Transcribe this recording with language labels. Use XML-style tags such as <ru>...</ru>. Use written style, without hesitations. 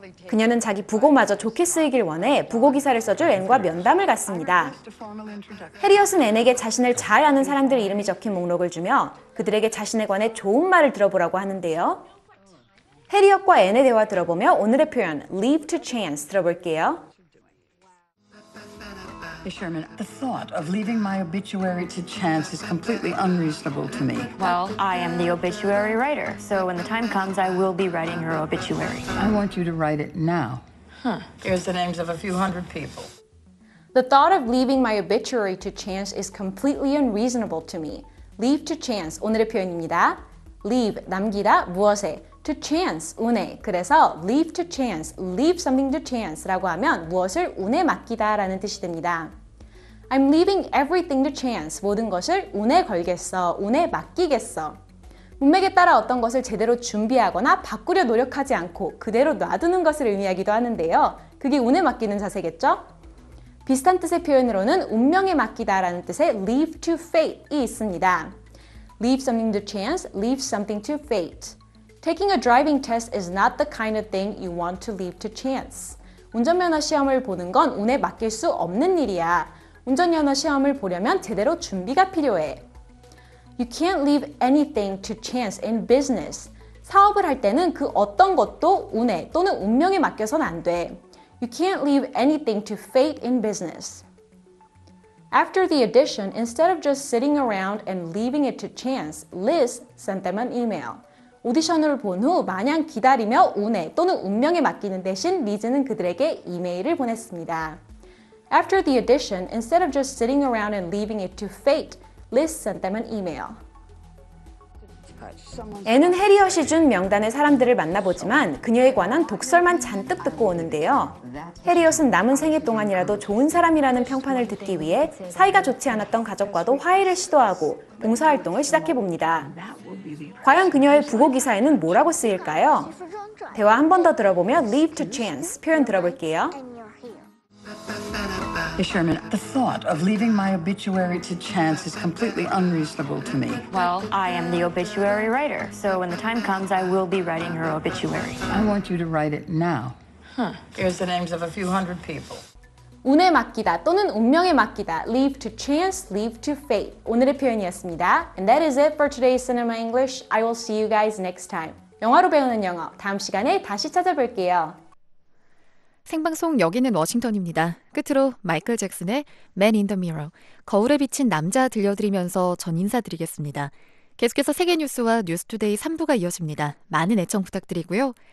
<ko>그녀는 자기 부고마저 좋게 쓰이길 원해 부고기사를 써줄 앤과 면담을 갖습니다. 해리엇은 앤에게 자신을 잘 아는 사람들 이름이 적힌 목록을 주며 그들에게 자신에 관해 좋은 말을 들어보라고 하는데요. 해리엇과 앤의 대화 들어보며 오늘의 표현 Leave to Chance 들어볼게요.</ko> <en>Hey Sherman, the thought of leaving my obituary to chance is completely unreasonable to me. Well, I am the obituary writer, so when the time comes, I will be writing your obituary. I want you to write it now. Huh. Here's the names of a few hundred people. The thought of leaving my obituary to chance is completely unreasonable to me.</en> <ko>Leave to chance, 오늘의 표현입니다. Leave, 남기다, 무엇에? To chance, 운에. 그래서 leave to chance, leave something to chance 라고 하면 무엇을 운에 맡기다 라는 뜻이 됩니다.</ko> <en>I'm leaving everything to chance.</en> <ko>모든 것을 운에 걸겠어, 운에 맡기겠어. 문맥에 따라 어떤 것을 제대로 준비하거나 바꾸려 노력하지 않고 그대로 놔두는 것을 의미하기도 하는데요. 그게 운에 맡기는 자세겠죠? 비슷한 뜻의 표현으로는 운명에 맡기다 라는 뜻의 leave to fate 이 있습니다.</ko> <en>Leave something to chance, leave something to fate. Taking a driving test is not the kind of thing you want to leave to chance.</en> <ko>운전면허 시험을 보는 건 운에 맡길 수 없는 일이야. 운전면허 시험을 보려면 제대로 준비가 필요해.</ko> <en>You can't leave anything to chance in business.</en> <ko>사업을 할 때는 그 어떤 것도 운에 또는 운명에 맡겨선 안 돼.</ko> <en>You can't leave anything to fate in business. After the audition, instead of just sitting around and leaving it to chance, Liz sent them an email.</en> <ko>오디션을 본 후 마냥 기다리며 운에 또는 운명에 맡기는 대신 리즈는 그들에게 이메일을 보냈습니다.</ko> <en>After the audition, instead of just sitting around and leaving it to fate, Liz sent them an email.</en> <ko>앤은 해리엇이 준 명단의 사람들을 만나보지만 그녀에 관한 독설만 잔뜩 듣고 오는데요. 해리엇은 남은 생애 동안이라도 좋은 사람이라는 평판을 듣기 위해 사이가 좋지 않았던 가족과도 화해를 시도하고 봉사활동을 시작해봅니다. 과연 그녀의 부고기사에는 뭐라고 쓰일까요? 대화 한 번 더 들어보며 leave to chance 표현 들어볼게요.</ko> <en>Hey Sherman, the thought of leaving my obituary to chance is completely unreasonable to me. Well, I am the obituary writer, so when the time comes, I will be writing her obituary. I want you to write it now. Huh. Here's the names of a few hundred people.</en> <ko>운에 맡기다 또는 운명에 맡기다.</ko> <en>Leave to chance, leave to fate.</en> <ko>오늘의 표현이었습니다.</ko> <en>And that is it for today's Cinema English. I will see you guys next time.</en> <ko>영화로 배우는 영어, 다음 시간에 다시 찾아볼게요. 생방송 여기는 워싱턴입니다. 끝으로 마이클 잭슨의 Man in the Mirror, 거울에 비친 남자 들려드리면서 전 인사드리겠습니다. 계속해서 세계 뉴스와 뉴스 투데이 3부가 이어집니다. 많은 애청 부탁드리고요.</ko>